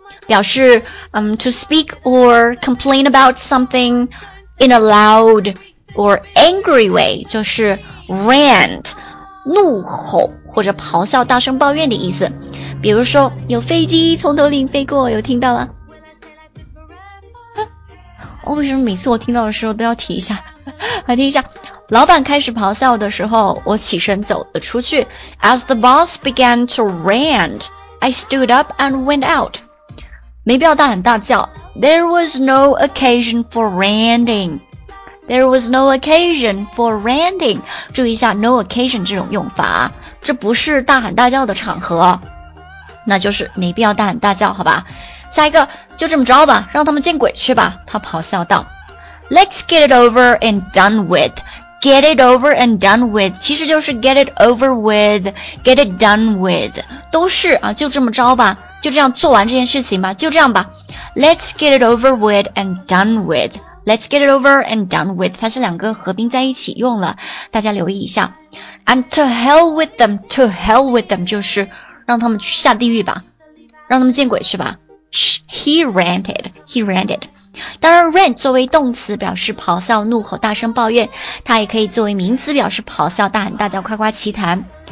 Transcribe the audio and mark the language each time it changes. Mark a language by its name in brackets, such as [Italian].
[English] 表示to speak or complain about something in a loud or angry way, 就是 rant, 怒吼或者咆哮大声抱怨的意思。 [Chinese] 比如说有飞机从头顶飞过，有听到了、啊、我为什么每次我听到的时候都要提一下，来听一下。老板开始咆哮的时候，我起身走了出去。 [English] As the boss began to rant, I stood up and went out. [Chinese] 没必要大喊大叫。 There was no occasion for ranting. There was no occasion for ranting. 注意一下 no occasion 这种用法，这不是大喊大叫的场合，那就是没必要大喊大叫，好吧？下一个，就这么着吧，让他们见鬼去吧。 [English] 他咆哮道 Let's get it over and done with. Get it over and done with. 其实就是 get it over with, get it done with. [Chinese] 都是啊，就这么着吧，就这样做完这件事情吧，就这样吧。 [English] Let's get it over with and done with. Let's get it over and done with. [Chinese] 它是两个合并在一起用了，大家留意一下。 And to hell with them, to hell with them, 就是让他们去下地狱吧，让他们见鬼去吧。 [English] He ranted, he ranted. [Chinese] 当然 rant 作为动词表示咆哮、怒吼、大声抱怨，它也可以作为名词表示咆哮、大喊大叫、夸夸其谈。